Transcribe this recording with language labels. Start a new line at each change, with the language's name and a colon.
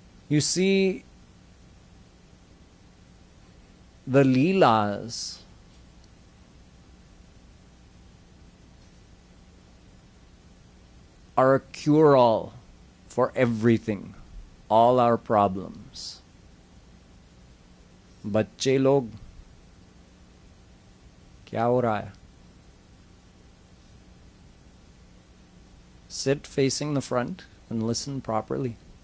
English: You see, the Leelas are a cure-all for everything. All our problems.
Hindi: बच्चे लोग, क्या हो रहा है?
English: Sit facing the front and listen properly.